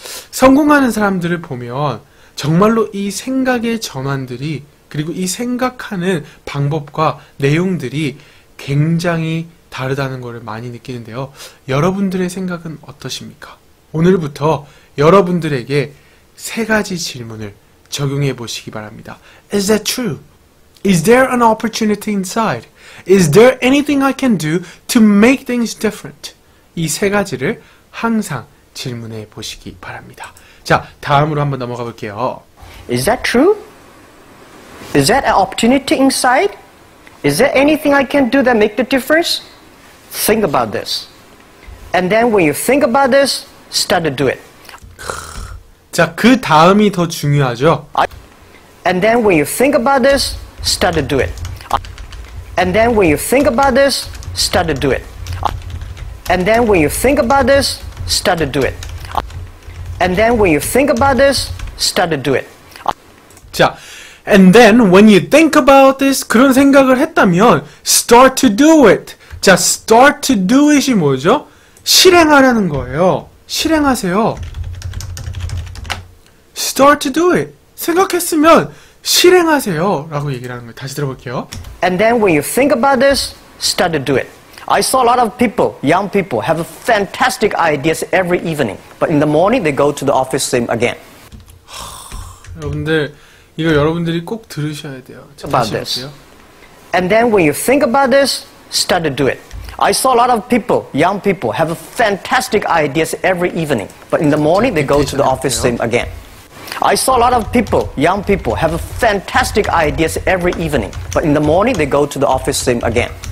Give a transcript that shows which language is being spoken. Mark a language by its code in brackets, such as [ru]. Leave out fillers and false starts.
[ko] 성공하는 사람들을 보면 정말로 이 생각의 전환들이 그리고 이 생각하는 방법과 내용들이 굉장히 다르다는 것을 많이 느끼는데요. 여러분들의 생각은 어떠십니까? 오늘부터 여러분들에게 세 가지 질문을 적용해 보시기 바랍니다. [en] Is that true? Is there an opportunity inside? Is there anything I can do to make things different? [ko] 이 세 가지를 항상 질문해 보시기 바랍니다. 자, 다음으로 한번 넘어가 볼게요. [en] Is that true? Is that an opportunity inside? Is there anything I can do that make the difference? Think about this. And then when you think about this, start to do it. [ko] 자, 그 다음이 더 중요하죠. [en] And then when you think about this, start to do it. And then when you think about this, start to do it. And then when you think about this, start to do it. And then when you think about this, start to do it. 자, and then when you think about this, [ko] 그런 생각을 했다면 [en] start to do it. [ko] 자, [en] start to do it [ko] 이 뭐죠? 실행하라는 거예요. 실행하세요. [en] Start to do it. [ko] 생각했으면 실행하세요. 라고 얘기를 하는 거예요. 다시 들어볼게요. [en] And then when you think about this, start to do it. I saw a lot of people, young people, have fantastic ideas every evening. But in the morning, they go to the office same again. [ko] 여러분들, 이거 여러분들이 꼭 들으셔야 돼요. [en] About this. And then when you think about this, start to do it. I saw a lot of people, young people, have fantastic ideas every evening. But in the morning, they go to the office same again. I saw a lot of people, young people, have fantastic ideas every evening, but in the morning they go to the office same again.